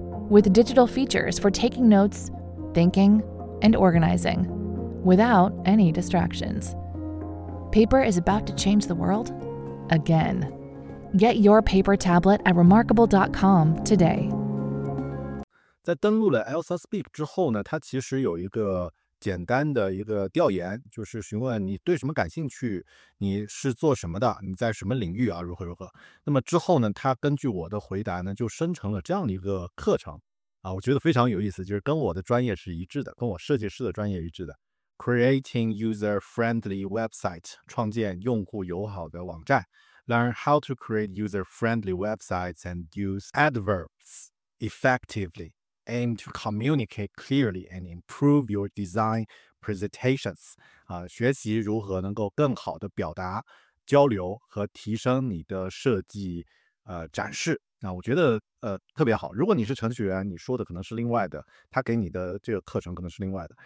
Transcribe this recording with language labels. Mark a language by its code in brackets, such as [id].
[en] With digital features for taking notes, thinking, and organizing, without any distractions. Paper is about to change the world again. Get your paper tablet at remarkable.com today. [zh] 在登录了 Elsa Speak 之后呢，它其实有一个简单的一个调研，就是询问你对什么感兴趣，你是做什么的，你在什么领域啊，如何如何。那么之后呢，它根据我的回答呢，就生成了这样的一个课程啊，我觉得非常有意思，就是跟我的专业是一致的，跟我设计师的专业一致的。 [en] Creating user-friendly website， [zh] 创建用户友好的网站。 [en] Learn how to create user-friendly websites and use adverbs effectively. Aim to communicate clearly and improve your design presentations. [zh] 啊，学习如何能够更好的表达、交流和提升你的设计展示。那我觉得特别好。如果你是程序员，你说的可能是另外的，他给你的这个课程可能是另外的。